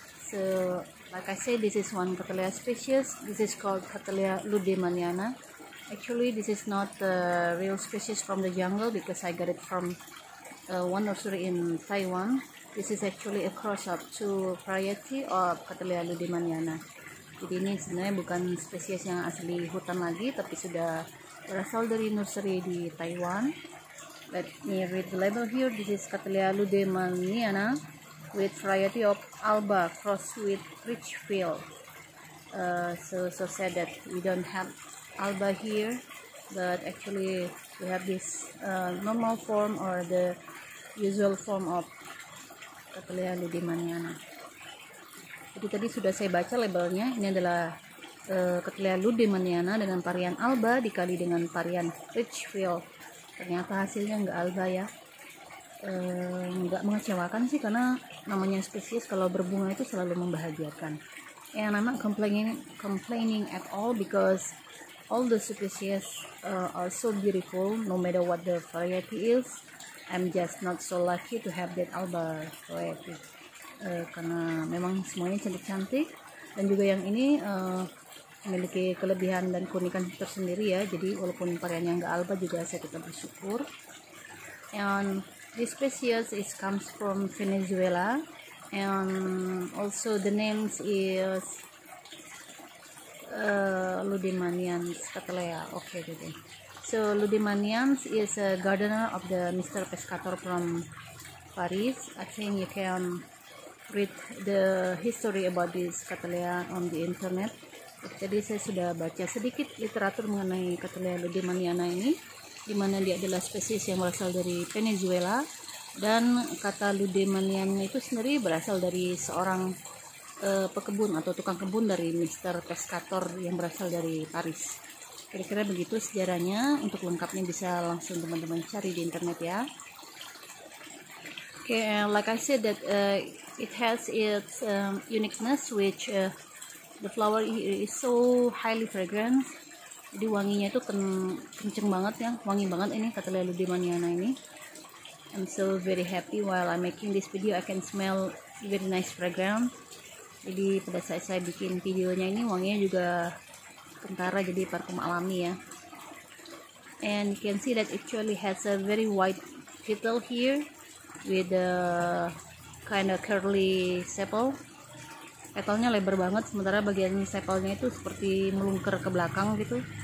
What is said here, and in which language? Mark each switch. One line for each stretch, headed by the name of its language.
English: So, like I said, this is one Cattleya species. This is called Cattleya lueddemanniana. Actually, this is not a real species from the jungle because I got it from one nursery in Taiwan. This is actually a cross of two variety of Cattleya lueddemanniana.
Indonesian: Jadi ini sebenarnya bukan spesies yang asli hutan lagi, tapi sudah berasal dari nursery di Taiwan.
English: Let me read the label here. This is Cattleya lueddemanniana with variety of alba cross with Richfield. So sad that we don't have alba here, but actually we have this normal form or the usual form of Cattleya lueddemanniana.
Indonesian: Jadi tadi sudah saya baca labelnya, ini adalah Cattleya lueddemanniana dengan varian alba dikali dengan varian Richfield. Ternyata hasilnya nggak alba ya. Nggak mengecewakan sih, karena namanya spesies kalau berbunga itu selalu membahagiakan.
English: And I'm not complaining at all because all the species are so beautiful no matter what the variety is. I'm just not so lucky to have that alba variety.
Indonesian: Karena memang semuanya cantik-cantik, dan juga yang ini memiliki kelebihan dan keunikan tersendiri ya. Jadi walaupun variannya nggak alba juga saya tetap bersyukur.
English: And this species is comes from Venezuela, and also the name is lueddemanniana Cattleya. Okay, jadi so lueddemanniana is a gardener of the Mr. Pescator from Paris. I think you can read the history about this Cattleya on the internet.
Indonesian: Jadi saya sudah baca sedikit literatur mengenai Cattleya lueddemanniana ini, di mana dia adalah spesies yang berasal dari Venezuela, dan kata lueddemanniana itu sendiri berasal dari seorang pekebun atau tukang kebun dari Mr. Pescator yang berasal dari Paris. Kira-kira begitu sejarahnya. Untuk lengkapnya bisa langsung teman-teman cari di internet ya.
English: Okay, like I said that it has its uniqueness, which the flower is so highly fragrant.
Indonesian: Jadi wanginya itu kenceng banget ya, wangi banget ini Cattleya lueddemanniana ini.
English: I'm so very happy while I'm making this video, I can smell very nice fragrant.
Indonesian: Jadi pada saat saya bikin videonya ini, wanginya juga kentara, jadi parfum alami ya.
English: And you can see that actually has a very white petal here with a kind of curly sepal.
Indonesian: Petalnya lebar banget, sementara bagian sepalnya itu seperti melungker ke belakang gitu.